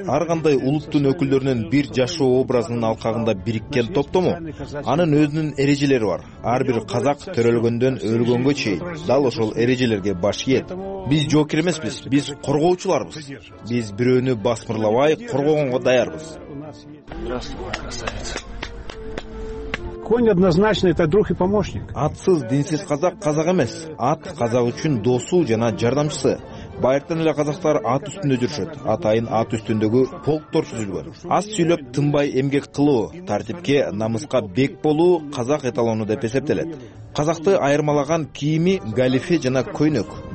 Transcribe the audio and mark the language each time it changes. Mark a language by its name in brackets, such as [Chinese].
[Kyrgyz] Ар кандай улуттун өкүлдөрүнүн бир жашоо образынын алкагында бириккен топтому. Анын өзүнүн эрежелери бар. Ар бир казак төрөлгөндөн өлгөнгө чейин дал ошол эрежелерге баш ийет. Биз жоокер эмеспиз, биз коргоочуларбыз. Биз бирөөнү басмырлабай коргогонго даярбыз. [Russian] Конь однозначно это друг и помощник. [Kyrgyz] Атсыз динсиз казак казак эмес. Ат казак үчүн досу жана жардамчысы. Байыртан эле казактар ат үстүндө жүрүшөт. Атайын ат үстүндөгү полктор түзүлгөн. Аз сүйлөп тынбай эмгек кылуу, тартипке, намыска бек болуу казак эталону деп эсептелет. Казакты айырмалаган кийими галифе жана көйнөк.